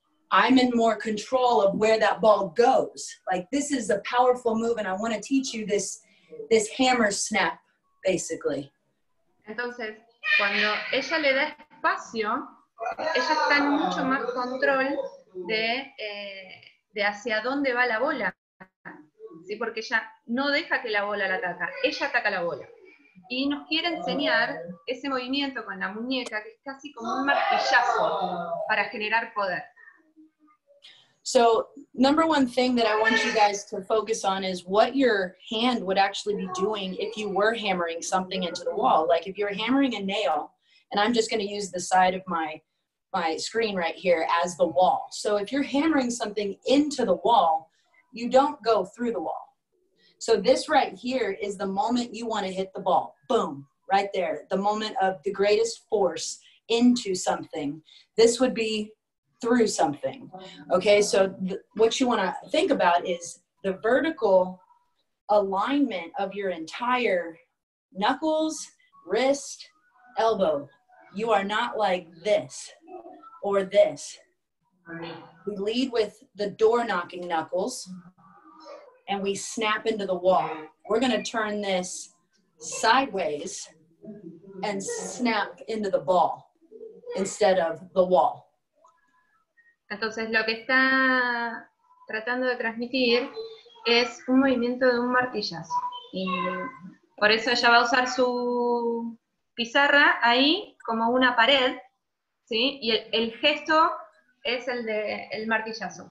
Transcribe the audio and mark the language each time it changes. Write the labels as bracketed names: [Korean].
[English] I'm in more control of where that ball goes. Like, this is a powerful move, and I want to teach you this hammer snap, basically. [Spanish] Entonces, cuando ella le da espacio, ella está en mucho más control de hacia dónde va la bola. ¿Sí? Porque ella no deja que la bola la ataca. Ella ataca la bola. y nos quiere enseñar ese movimiento con la muñeca, que es casi como un martillazo para generar poder. [English] So, number one thing that I want you guys to focus on is what your hand would actually be doing if you were hammering something into the wall. Like, if you're hammering a nail, and I'm just going to use the side of my screen right here as the wall. So, if you're hammering something into the wall, you don't go through the wall. So, this right here is the moment you want to hit the ball. Boom. Right there. The moment of the greatest force into something. This would be through something. Okay, so what you want to think about is the vertical alignment of your entire knuckles, wrist, elbow. You are not like this or this. We lead with the door knocking knuckles and we snap into the wall. We're going to turn this sideways and snap into the ball instead of the wall. [Spanish] Entonces, lo que está tratando de transmitir es un movimiento de un martillazo. Y por eso ella va a usar su pizarra ahí como una pared, ¿sí? Y el gesto es el de el martillazo.